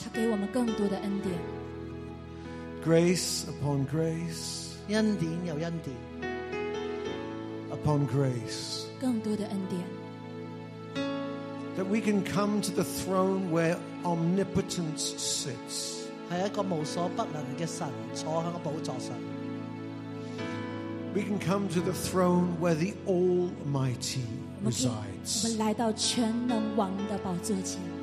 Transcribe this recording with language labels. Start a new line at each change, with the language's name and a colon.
Chinese: 他给我们更多的恩典。
English: Grace upon grace.
Chinese: 恩典又恩典。
English: Upon grace.
Chinese: 更多的恩典。
English: That we can come to the throne where omnipotence sits.
Chinese: 是一个无所不能的神坐在宝座上。
English: We can come to the throne where the Almighty resides.
Chinese: 我们来到全能王的宝座前。